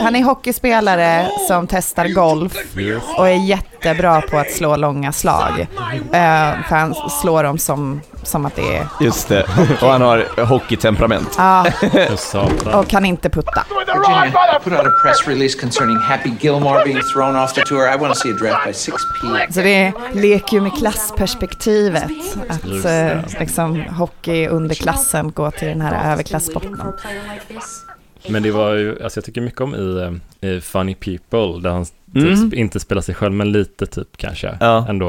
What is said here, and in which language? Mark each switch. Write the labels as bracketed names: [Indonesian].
[Swedish] Han är hockeyspelare som testar golf och är jättebra på att slå långa slag. För han slår dem som att det är... Just det. Och han har hockeytemperament. Ja. Och kan inte putta. [English] Virginia, put out a press release concerning Happy Gilmore being thrown off the tour. I want to see a draft by 6 p.m. [Swedish] Så det leker ju med klassperspektivet. Att liksom hockey underklassen går till den här överklassporten. Men det var ju, alltså jag tycker mycket om i Funny People, där han inte spelar sig själv, men lite typ kanske ändå.